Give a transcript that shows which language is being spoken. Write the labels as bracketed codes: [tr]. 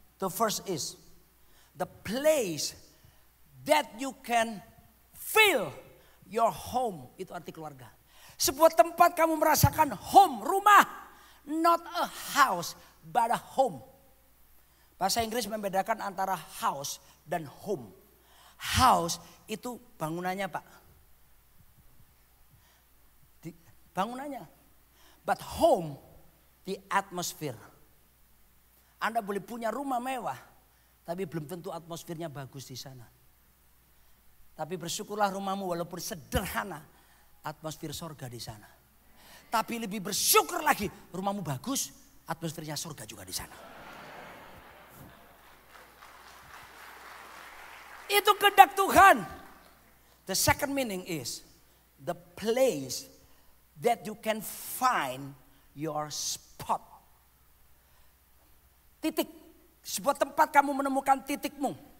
[en] The first is the place that you can feel your home. [id] Itu arti keluarga. Sebuah tempat kamu merasakan home, rumah. [en] Not a house, but a home. [id] Bahasa Inggris membedakan antara house dan home. House itu bangunannya, Pak. Bangunannya. [en] But home, the atmosphere. [id] Anda boleh punya rumah mewah, tapi belum tentu atmosfernya bagus di sana. Tapi bersyukurlah rumahmu walaupun sederhana, atmosfer surga di sana. Tapi lebih bersyukur lagi, rumahmu bagus, atmosfernya surga juga di sana. Itu kehendak Tuhan. [en] The second meaning is the place that you can find your spot. [id] Titik. Sebuah tempat kamu menemukan titikmu.